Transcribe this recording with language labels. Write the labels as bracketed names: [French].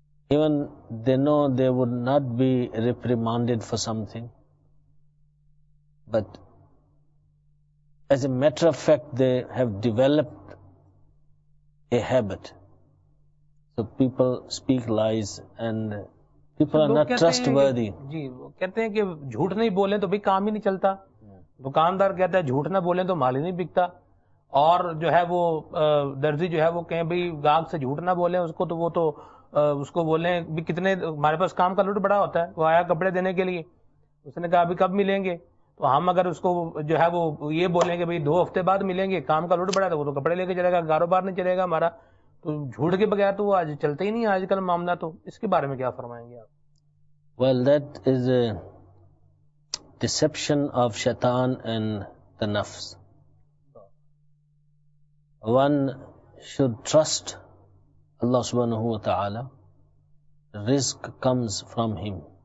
[English] Even they know they would not be reprimanded for something, but as a matter of fact, they have developed a habit. So people speak lies and people are not trustworthy. [Urdu] جی وہ کہتے ہیں کہ جھوٹ نہیں بولیں تو بھی کام ہی نہیں چلتا. دکاندار کہتا ہے جھوٹ نہ بولیں تو مال ہی نہیں بکتا، اور جو ہے وہ درزی جو ہے وہ کہیں بھائی گاہک سے جھوٹ نہ بولیں اس کو، تو وہ تو اس کو بولیں بھی کتنے ہمارے پاس کام کا لوٹ بڑا ہوتا ہے، وہ آیا کپڑے دینے کے لیے، اس نے کہا ابھی کب ملیں گے، تو ہم اگر اس کو جو ہے وہ یہ بولیں گے بھائی دو ہفتے بعد ملیں گے، کام کا لوٹ بڑا ہے تو وہ تو کپڑے لے کے چلے گا، کاروبار نہیں چلے گا ہمارا، تو جھوٹ کے بغیر تو وہ آج چلتے ہی نہیں آج کل معاملہ. تو اس کے بارے میں کیا فرمائیں گے آپ؟ [English] Well, that is a deception of shaitan and the nafs. One should trust Allah subhanahu wa ta'ala. Rizq comes from him.